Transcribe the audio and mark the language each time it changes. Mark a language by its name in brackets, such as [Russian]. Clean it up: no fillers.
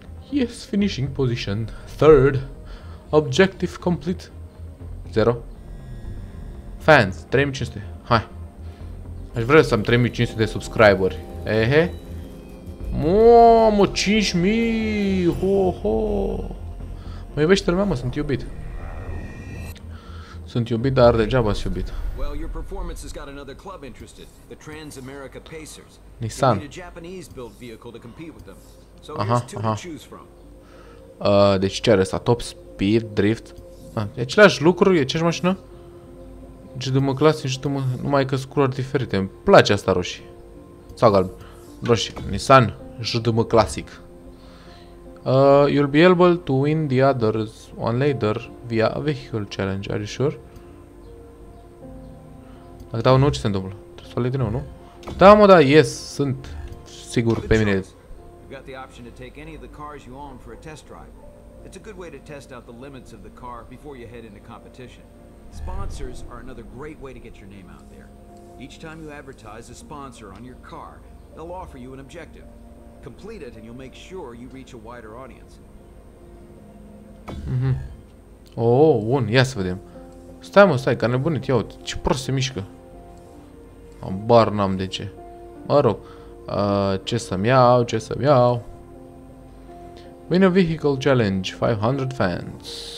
[English] Yes, finishing position. Third. Objective complete. Zero. Fans, 3500. Hai. [Romanian] Aș vrea să am 3500 de subscriberi. Ehe. Mamă, 5000. Ho, ho. Mă iubește lumea, mă, sunt iubit. Sunt iubit, dar degeaba sunt iubit. [English] Well, your performance has got another club interested, the Trans-America Pacers. Nissan. A Japanese-built vehicle to compete with them. So aha, to choose from. [Romanian] Deci ce are asta? [English] Top speed, drift. [Romanian] E același lucru, e aceeași mașină? GDM Classic și GDM, numai că sunt culori diferite. Îmi place asta roșie. Sau galb. Roșie. Nissan, GDM Classic. [English] You'll be able to win the others one later via a vehicle challenge, are you sure? [Romanian] Dacă dau nu, ce se întâmplă? Trebuie să o lei din nou, nu? Da, mă, da, yes, sunt sigur pe mine. [English] Got the option to take any of the cars you own for a test drive. It's a good way to test out the limits of the car before you head into competition. Sponsors are another great way to get your name out there. Each time you advertise a sponsor on your car, they'll offer you an objective. Complete it and you'll make sure you reach a wider audience. [Romanian] Mhm. Oh, bun, ia să vedem. Stai, mă, stai, că nebunit, ia uite, ce prost se mișcă. Abar n-am de ce. Mă rog. Ce să-mi iau, ce să-mi iau. [English] Win a vehicle challenge, 500 fans.